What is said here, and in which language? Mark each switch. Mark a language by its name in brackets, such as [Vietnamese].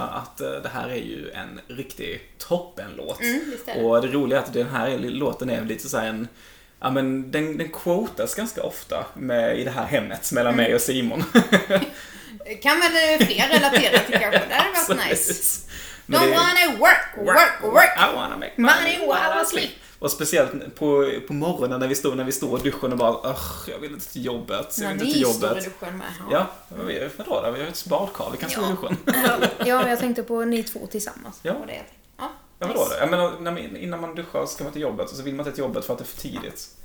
[Swedish] Att det här är ju en riktig toppenlåt. Mm, och det roliga är att den här låten är lite så här en... Ja, men den quotas ganska ofta med, i det här hemmet mellan mig och Simon. Kan väl fler relatera till kanske. Det hade varit nice. [English] Don't wanna work. I wanna make money while I sleep. [Swedish] Och speciellt på morgonen när vi står i duschen och bara, ugh, jag vill inte till jobbet. Jag vill inte till jobbet. Står i duschen med. Ja, vadå då? Vi har ett badkar, vi kan stå i duschen. Ja, men jag tänkte på ni två tillsammans. Ja, och det. Ja, vadå då? Jag menar, innan man duschar så ska man till jobbet och så vill man till jobbet för att det är för tidigt.